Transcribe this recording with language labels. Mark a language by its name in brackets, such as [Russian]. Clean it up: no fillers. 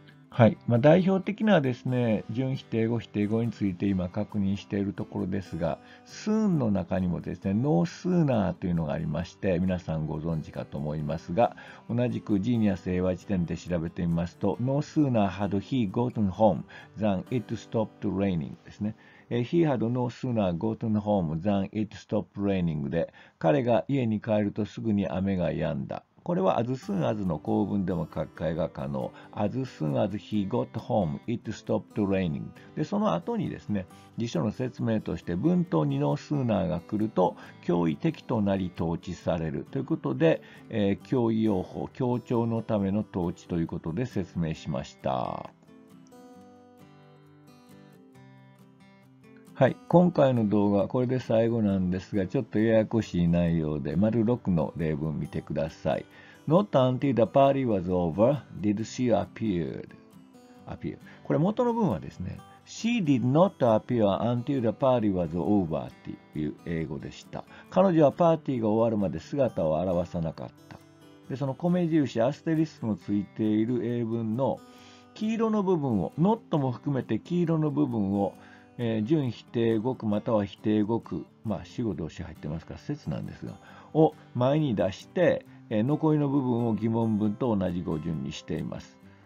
[Japanese] はい、まあ、代表的なですね、準否定語、否定語について今確認しているところですが、soon の中にもですね、 [English] no sooner というのがありまして、皆さんご存知かと思いますが、同じくジーニアス英和辞典で調べてみますと、no sooner had he gotten home than it stopped raining [Japanese] ですね。 [English] He had no sooner gotten home than it stopped raining [Japanese] で、彼が家に帰るとすぐに雨が止んだ。これは [English] as soon as [Japanese] の構文でも書き換えが可能。 [English] as soon as he got home, it stopped raining。 [Japanese] で、その後にですね、辞書の説明として文頭にの sooner が来ると脅威的となり統置されるということで、脅威用法、協調のための統置ということで説明しました。はい、今回の動画はこれで最後なんですが、ちょっとややこしい内容で、丸6の例文見てください。 [English] Not until the party was over did she appear. [Japanese] これ元の文はですね、 [English] She did not appear until the party was over [Japanese] っていう英語でした。彼女はパーティーが終わるまで姿を現さなかった。で、その米印、アステリスクのついている英文の黄色の部分を、not も含めて黄色の部分を、準否定語句または否定語句、まあ主語動詞入ってますから説なんですが、を前に出して、残りの部分を疑問文と同じ語順にしています。